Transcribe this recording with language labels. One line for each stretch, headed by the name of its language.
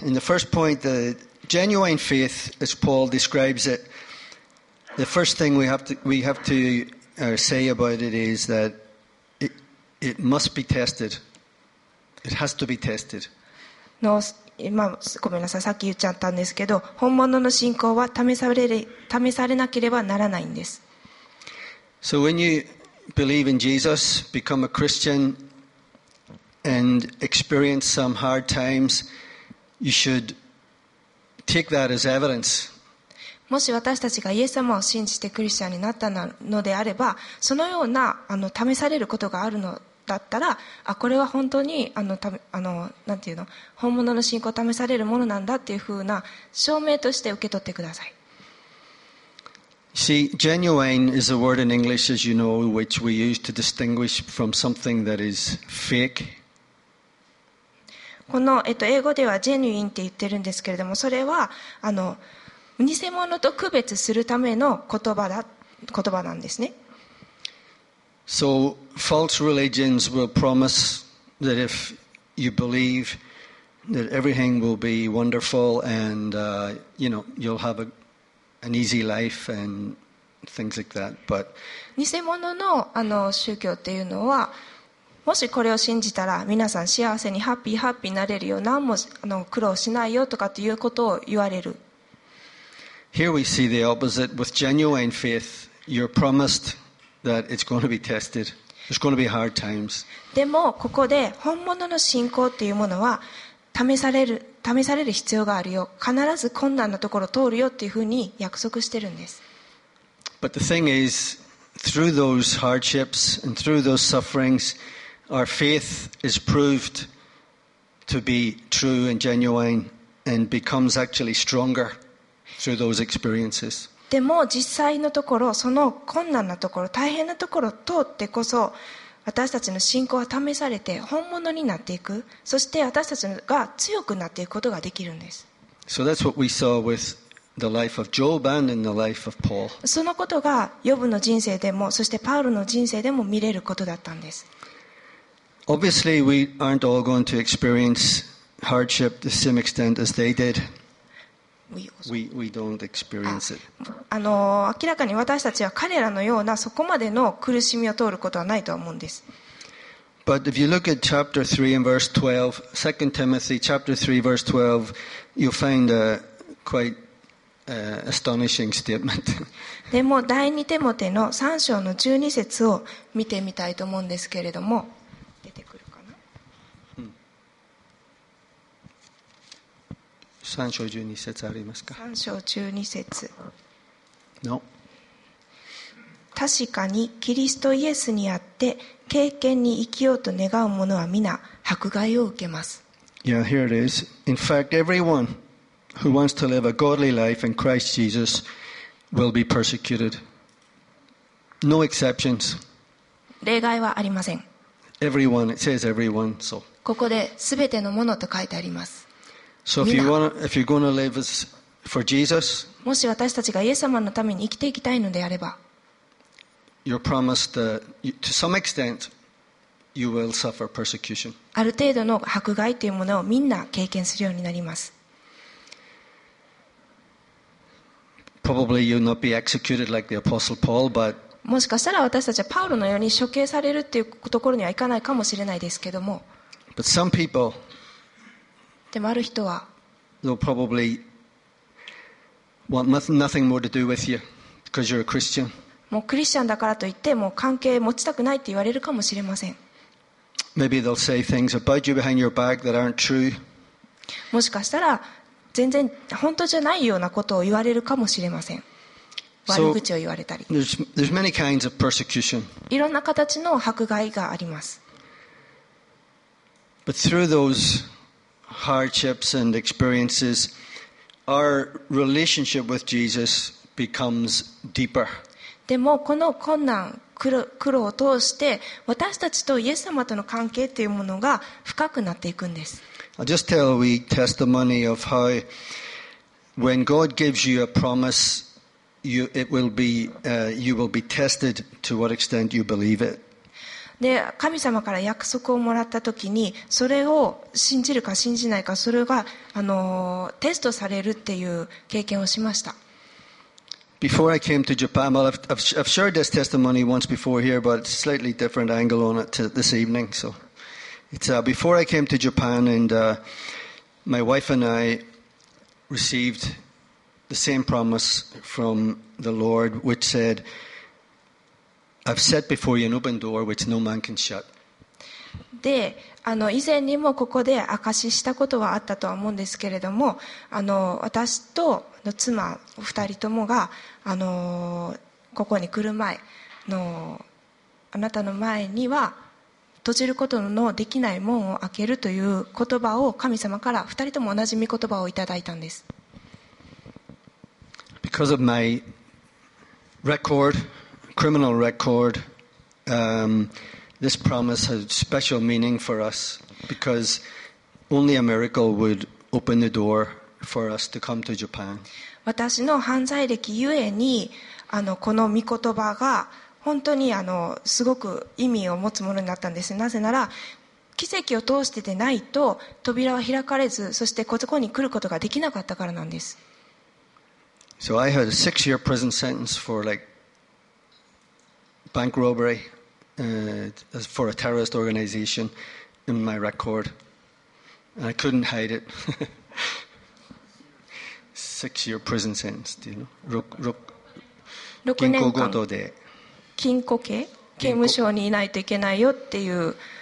English: In the first point, the genuine faith, as Paul describes it, the first thing we have to say about it is that it must be tested. It has to be tested.
Japanese: の、今、ごめんなさい、さっき言っちゃったんですけど、本物の信仰は試されなければならないんです。
English: So when you believe in Jesus, become a Christian, and experience some hard times, you should take that as evidence.
Japanese: もし私たちがイエス様を信じてクリスチャンになったのであれば、そのような試されることがあるのだったら、あ、これは本当に何ていうの、本物の信仰を試されるものなんだっていうふうな証明として受け取ってください。
English: See, genuine is a word in English, as you know, which we use to distinguish from something that is fake.
Japanese: この、英語ではジェニュインって言ってるんですけれども、それは偽物と区別するための言葉なんですね。
English: So false religions will promise that if you believe that everything will be wonderful and you know you'll have an easy life and things like that. But
Japanese: 偽物の宗教っていうのは、もしこれを信じたら皆さん幸せにハッピーハッピーになれるよ、何も苦労しないよとかっていうことを言われる。
English: Here we see the opposite. With genuine faith, you're promised that it's going to be tested. There's going to be hard times.
Japanese: でもここで本物の信仰っていうものは試される必要があるよ。必ず困難なところを通るよっていうふうに約束してるんです。
English: But the thing is, through those hardships and through those sufferings, our faith is proved to be true and genuine and becomes actually stronger. Through those experiences.
Japanese: でも実際のところ、その困難なところ、大変なところを通ってこそ私たちの信仰は試されて本物になっていく、そして私たちが強くなっていくことができるんです。
English: So that's what we saw with the life of Job and in the life of Paul.
Japanese: そのことがヨブの人生でも、そしてパウロの人生でも見れることだったんです。
English: Obviously we aren't all going to experience hardship to the same extent as they did. We don't experience it.
Japanese: 明らかに私たちは彼らのようなそこまでの苦しみを通ることはないと思うんです。
English: But if you look at chapter 3 and verse 12, 2 Timothy chapter 3 verse 12, you'll find a quite astonishing statement.
Japanese: でも第2テモテの3章の12節を見てみたいと思うんですけれども、出てくるかな。 3章12節ありますか。 3章12節、
English: no.
Japanese: 確かにキリストイエスにあって経験に生きようと願う者は皆迫害を受けます。
English: Yeah, here it is. In fact, everyone who wants to live a godly life in Christ Jesus will be persecuted. No exceptions.
Japanese: 例外はありません。
English: Everyone, it says everyone, so.
Japanese: ここで全ての者と書いてあります。
English: So if you want, if you're going to live for Jesus,
Japanese: もし私たちがイエス様のために生きていきたいのであれば、
English: you're promised to some extent you will suffer persecution.
Japanese: ある程度の迫害というものをみんな経験するようになります。
English: Probably you'll not be executed like the Apostle Paul, but
Japanese: もしかしたら私たちはパウロのように処刑されるっていうところにはいかないかもしれないですけども、
English: but some people.
Japanese: でもある人は、
English: They'll probably want nothing more to do with you because you're a Christian.
Japanese: もうクリスチャンだからといって、もう関係持ちたくないって言われるかもしれません。
English: Maybe they'll say things about you behind your back that aren't true.
Japanese: もしかしたら、全然本当じゃないようなことを言われるかもしれません。悪口を言われたり。
English: So, there's many kinds of persecution.
Japanese: いろんな形の迫害があります。
English: But through those. Hardships and experiences, our relationship with Jesus becomes deeper.
Japanese: でもこの困難、苦労を通して私たちとイエス様との関係というものが深くなっていくんです。
English: I'll just tell a wee testimony of how when God gives you a promise, you will be tested to what extent you believe it.
Japanese: で神様から約束をもらったときに、それを信じるか信じないか、それがテストされるっていう経験をしました。
English: Before I came to Japan, well, I've shared this testimony once before here, but it's a slightly different angle on it this evening. So, it's before I came to Japan, and my wife and I received the same promise from the Lord, which said. I've set before you an open door which no man can shut.
Japanese: で、以前にもここで証ししたことはあったとは思うんですけれども、私との妻二人ともが、ここに来る前の、あなたの前には閉じることのできない門を開けるという言葉を神様から二人とも同じ御言葉をいただいたんです。
English: Because of my record. Criminal record, this promise has special meaning for us because Only a miracle would open the door for us to come to Japan.
Japanese: 私の犯罪歴ゆえに、この御言葉が本当にすごく意味を持つものになったんです。なぜなら奇跡を通してでないと扉は開かれず、そしてここに来ることができなかったからなんです。
English: So I had a 6-year prison sentence for like bank robbery, for a terrorist organization in my record. And I couldn't hide it. 6-year prison sentence, do you know?
Japanese: 6年間銀行強盗で。禁錮刑？刑務所にいないといけないよっていう、